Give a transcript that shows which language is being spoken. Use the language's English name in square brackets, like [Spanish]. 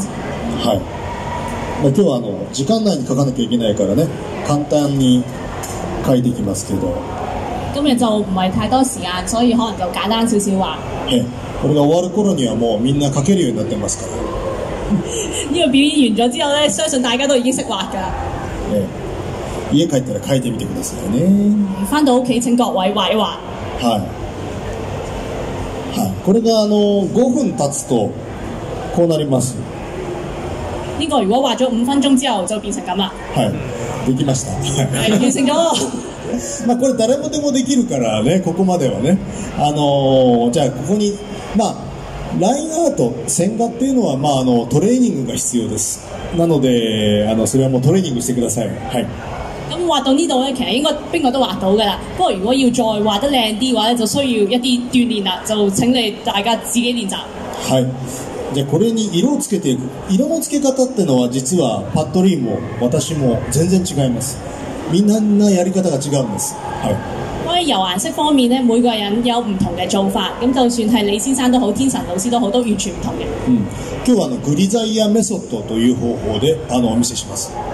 [Japanese] はい、今日は時間内に描かなきゃいけないからね、簡単に描いていきますけど、 [Cantonese] 今日就唔系太多时间，所以可能就简单少少画。 [Japanese] これが終わる頃にはもうみんな描けるようになってますから。 [Cantonese] 呢個表演完咗之後咧，相信大家都已經識畫㗎。誒， [Japanese] 家帰ったら書いてみてくださいね。 [Cantonese] 翻到屋企請各位畫一畫。 [Japanese] はい。はい。これが5分経つとこうなります。 [Cantonese] 呢個如果畫咗5分鐘之後就變成咁啦。 [Japanese] はい。できました。 [Cantonese] 係完成咗。 [Japanese] まあこれ誰もでもできるからね、ここまではね。じゃあここにまあ。ラインアート、線画っていうのは、まあ、トレーニングが必要です。なので、それはもうトレーニングしてください。はい。 [Cantonese] 咁畫到呢度咧，其實應該邊個都畫到噶啦。不過如果要再畫得靚啲嘅話咧，就需要一啲鍛鍊啦。就請你大家自己練習。 [Japanese] はい。じゃあこれに色をつけていく。色の付け方ってのは実はパッドリーも私も全然違います。みんなやり方が違うんです。はい。 [Cantonese] 所以油顏色方面咧，每個人有不同的做法。咁就算是李先生都好，天神老師都好，都完全不同嘅。 [Japanese] 嗯，今日グリザイアメソッドという方法でお見せします。